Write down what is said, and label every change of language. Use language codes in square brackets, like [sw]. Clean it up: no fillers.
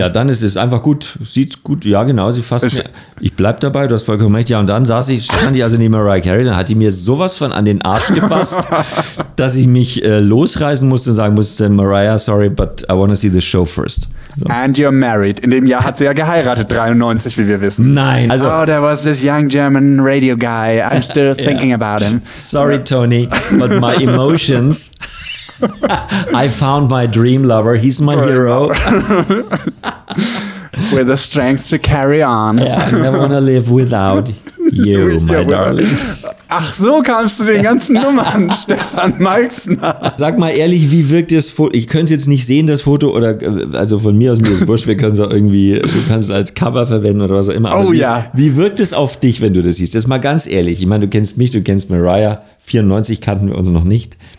[de] Ja, dann ist es einfach gut, sieht's gut, ja genau, sie fasst mir. Ich bleib dabei, du hast vollkommen recht. Ja, und dann stand ich also neben Mariah Carey, dann hat die mir sowas von an den Arsch gefasst, dass ich mich losreißen musste und sagen musste, Mariah, [en] sorry, but I want to see the show first. So. And you're married. [de] In dem Jahr hat sie ja geheiratet, 93, wie wir wissen. Nein. [en] Also, oh, there was this young German radio guy. I'm still thinking about him. Sorry, Tony, but my emotions... I found my dream lover. He's my hero. With the strength to carry on. Yeah, I never want to live without you, my darling. [de] Ach, so kamst du den ganzen Nummern, Stefan Meixner. Sag mal ehrlich, wie wirkt das Foto? Ich könnte es jetzt nicht sehen, das Foto. Oder also von mir aus, mir ist es wurscht, wir können es auch irgendwie, du kannst es als Cover verwenden oder was auch immer. Aber oh wie, ja. Wie wirkt es auf dich, wenn du das siehst? Jetzt mal ganz ehrlich. Ich meine, du kennst mich, du kennst Mariah. 94 kannten wir uns noch nicht.